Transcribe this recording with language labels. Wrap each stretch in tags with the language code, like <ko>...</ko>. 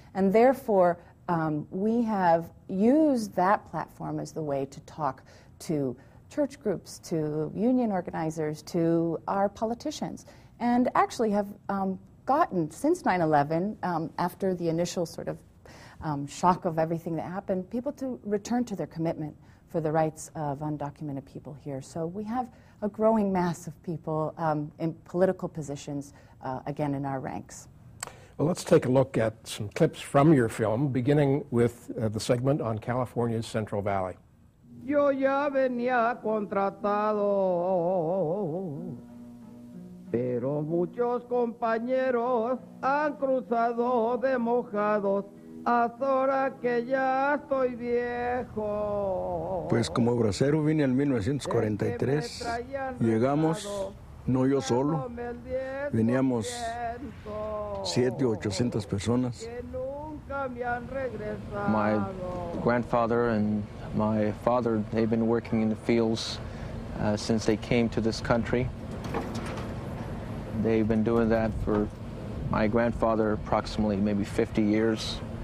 <en>And therefore, we have used that platform as the way to talk to church groups, to union organizers, to our politicians, and actually have gotten, since 9/11, after the initial sort of shock of everything that happened, people to return to their commitment for the rights of undocumented people here. So we have a growing mass of people in political positions, again, in our ranks. Well, let's take a look at some clips from your film, beginning with the segment on California's Central Valley.</en> <es>Yo ya venía contratado, pero muchos compañeros han cruzado de mojados. Ahora que ya estoy viejo. Pues como bracero vine en 1943, llegamos, no yo solo, veníamos 700 u 800 personas.</es> <en>My grandfather and my father, they've been working in the fields since they came to this country. They've been doing that for my grandfather approximately maybe 50 years.</en>